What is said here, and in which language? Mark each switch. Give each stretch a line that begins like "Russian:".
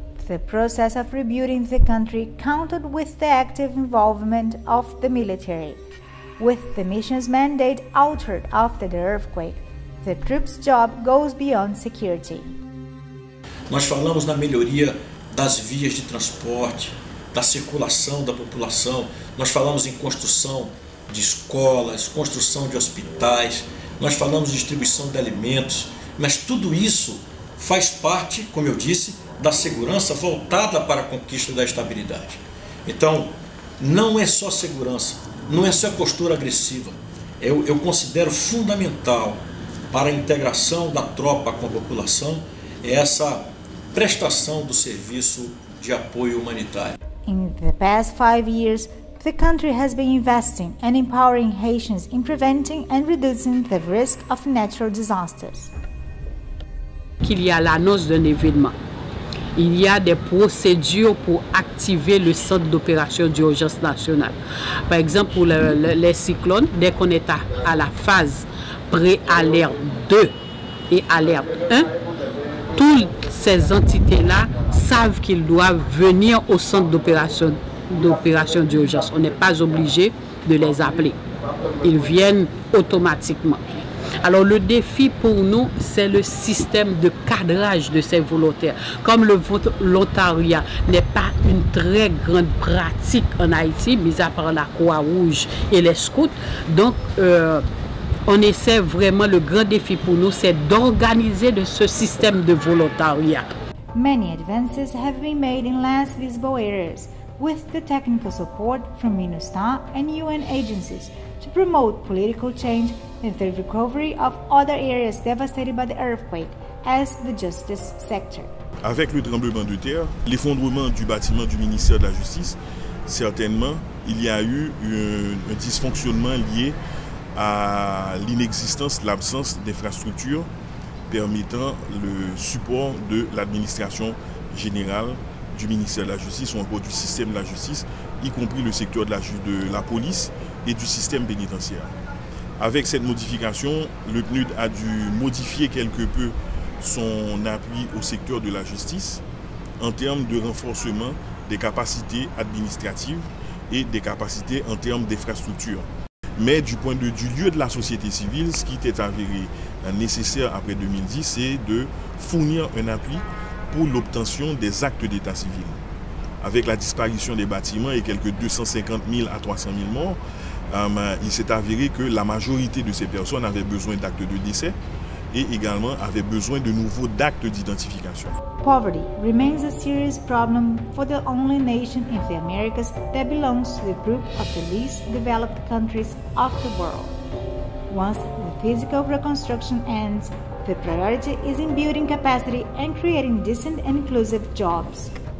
English: The process of rebuilding the country counted with the active involvement of the military. With the mission's mandate altered after the earthquake, the troops' job goes beyond security.
Portuguese: Nós falamos na melhoria das vias de transporte, da circulação da população. Nós falamos em construção de escolas, construção de hospitais. Nós falamos de distribuição de alimentos. Mas tudo isso faz parte, como eu disse, da segurança voltada para a conquista da estabilidade. Então, não é só segurança, não é só a postura agressiva. Eu considero fundamental para a integração da tropa com a população essa prestação do serviço de apoio humanitário.
English: In the past 5 years, the country has been investing and empowering Haitians in preventing and reducing the risk of natural disasters.
French: Qu'il y a l'annonce d'un événement. Il y a des procédures pour activer le centre d'opération d'urgence nationale. Par exemple, pour les cyclones, dès qu'on est à la phase pré-alerte 2 et alerte 1, toutes ces entités-là savent qu'ils doivent venir au centre d'opération d'urgence. On n'est pas obligé de les appeler. Ils viennent automatiquement. Alors le défi pour nous, c'est le système de cadrage de ces volontaires. Comme le volontariat n'est pas une très grande pratique en Haïti, mis à part la Croix-Rouge et les scouts, donc on essaie vraiment, le grand défi pour nous, c'est d'organiser ce système de volontariat.
English: Many advances have been made in less visible areas, with the technical support from MINUSTAH and UN agencies to promote political change and the recovery of other areas devastated by the earthquake, as the justice sector.
French: Avec le tremblement de terre, l'effondrement du bâtiment du ministère de la Justice, certainement, il y a eu un dysfonctionnement lié à l'inexistence, l'absence d'infrastructures permettant le support de l'administration générale du ministère de la Justice ou encore du système de la justice, y compris le secteur de la police et du système pénitentiaire. Avec cette modification, le PNUD a dû modifier quelque peu son appui au secteur de la justice en termes de renforcement des capacités administratives et des capacités en termes d'infrastructures. Mais du point de vue du lieu de la société civile, ce qui était avéré nécessaire après 2010, c'est de fournir un appui pour l'obtention des actes d'état civil. Avec la disparition des bâtiments et quelques 250 000 à 300 000 morts, il s'est avéré que la majorité de ces personnes avaient besoin d'actes de décès et également avaient besoin de nouveaux actes d'identification.
English: Poverty remains a serious problem for the only nation in the Americas that belongs to the group of the least developed countries of the world. Once the physical reconstruction ends, the priority is in building capacity and creating decent and inclusive jobs.